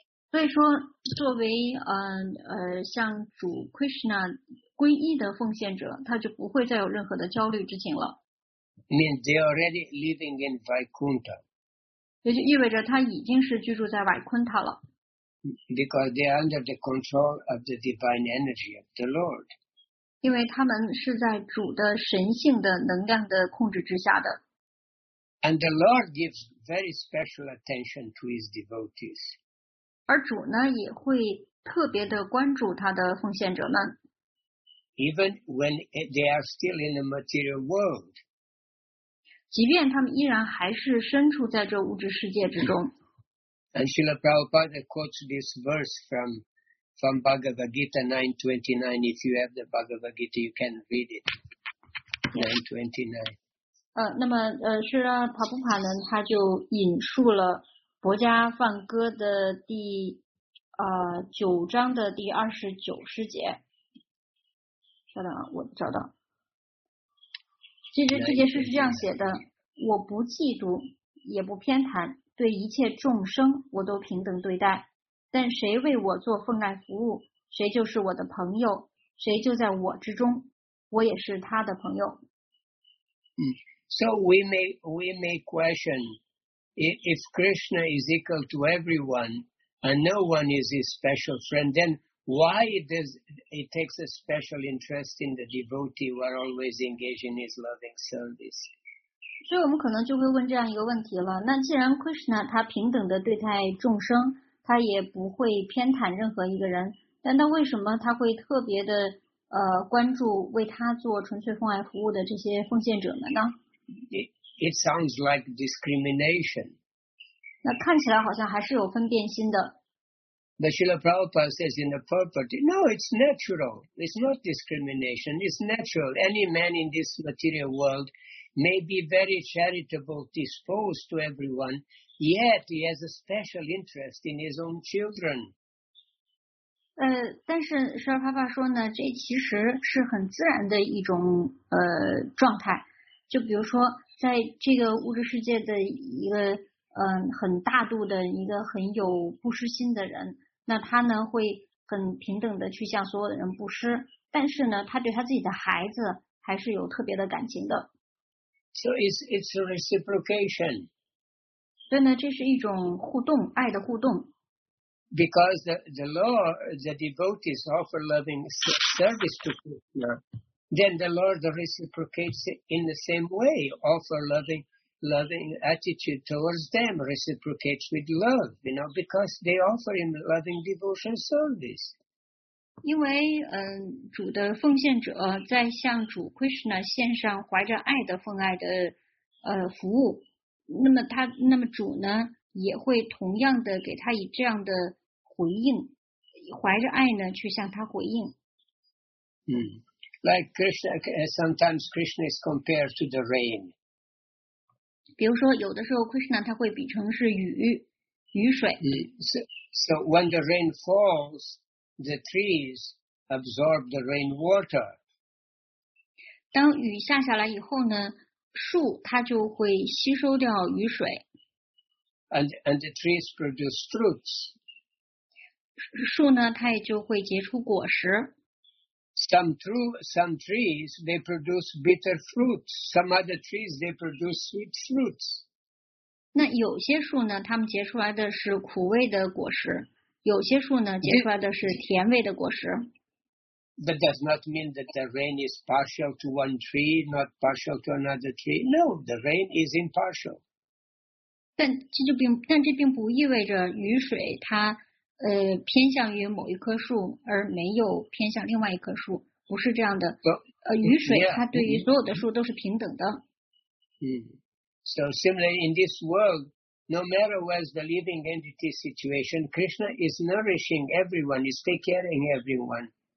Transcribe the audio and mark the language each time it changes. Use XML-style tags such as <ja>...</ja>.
<zh>所以说作为向主 Krishna 皈依的奉献者，他就不会再有任何的焦虑之情了。</zh> <en>I mean, they are already living in Vaikuntha.</en> <zh>也就意味着他已经是居住在 Vaikuntha 了。</zh> <en>Because they are under the control of the divine energy of the Lord.</en> <zh>因为他们是在主的神性的能量的控制之下的。</zh> <en>And the Lord gives very special attention to his devotees.</en> <zh>而主呢也会特别的关注他的奉献者们。</zh> <en>Even when they are still in the material world.</en> <zh>即便他们依然还是身处在这物质世界之中。</zh> <en>And Srila Prabhupada quotes this verse from Bhagavad Gita 9.29. If you have the Bhagavad Gita, you can read it. 9.29.</en> <zh>那么是让帕布帕呢，他就引述了博迦梵歌的第九章的第29诗节。稍等啊，我找到。其实这节诗是这样写的：我不嫉妒，也不偏袒，对一切众生我都平等对待。但谁为我做奉爱服务，谁就是我的朋友，谁就在我之中。我也是他的朋友。</zh> <en>So we may question if Krishna is equal to everyone and no one is his special friend, then why does it take a special interest in the devotee who are always engaged in his loving service?</en> <zh>所以我们可能就会问这样一个问题了。那既然 Krishna 他平等的对待众生，他也不会偏袒任何一个人，但那为什么他会特别的关注为他做纯粹奉爱服务的这些奉献者们呢？</zh> <en>It sounds like discrimination.</en> <zh>那看起来好像还是有分辨心的。</zh> <en>But Srila Prabhupada says in the purport, no, it's natural. It's not discrimination. It's natural. Any man in this material world may be very charitable disposed to everyone, yet he has a special interest in his own children.</en> <zh>但是十二爸爸说呢，这其实是很自然的一种状态。就比如说，在这个物质世界的一个很大度的一个很有布施心的人，那他呢会很平等的去向所有的人布施，但是呢，他对他自己的孩子还是有特别的感情的。</zh> <en>So it's a reciprocation.</en> <zh>所以呢，这是一种互动，爱的互动。</zh> <en>Because the Lord, the devotees offer loving service to Krishna, then the Lord reciprocates in the same way, offer loving attitude towards them, reciprocates with love, you know, because they offer him loving devotion service.</en> <zh>因为主的奉献者在向主 Krishna 献上怀着爱的奉爱的服务，那么主呢也会同样的给他以这样的回应，怀着爱呢去向他回应。</zh> <en>Like Krishna, sometimes Krishna is compared to the rain.</en> <zh>比如说，有的时候 Krishna 他会比成是雨水。</zh> <en>So when the rain falls, the trees absorb the rain water.</en> <zh>当雨下下来以后呢，树它就会吸收掉雨水。</zh> <en>And the trees produce fruits.</en> <zh>树呢，它也就会结出果实。</zh> <en>Some trees they produce bitter fruits. Some other trees they produce sweet fruits.</en> <zh>那有些树呢，它们结出来的是苦味的果实；有些树呢，结出来的是甜味的果实。</zh> <en>That does not mean that the rain is partial to one tree, not partial to another tree. No, the rain is impartial.</en> <zh>但这并不意味着雨水它偏向于某一棵树，而没有偏向另外一棵树，不是这样的。雨水它对于所有的树都是平等的。</zh> <en>So similarly, in this world, no matter what's the living entity situation, Krishna is nourishing everyone, is taking care of everyone.</en>